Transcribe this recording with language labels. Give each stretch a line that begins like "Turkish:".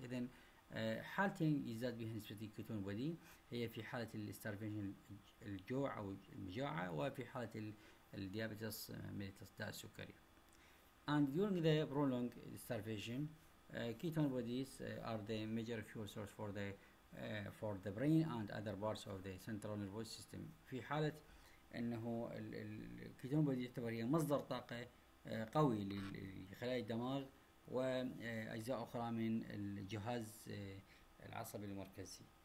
Arabic: إذا حالتين يزداد بها نسبة الكيتون بودي هي في حالة الاستارفيشن الجوع أو المجاعة, وفي حالة الديابيتس ميليتس داء السكري.
English: And during the prolonged starvation, ketone bodies are the major fuel source for the brain and other parts of the central nervous system.
Arabic: في حالة أنه الكيتون بودي يعتبر هي مصدر طاقة قوي لخلايا الدماغ وأجزاء أخرى من الجهاز العصبي المركزي.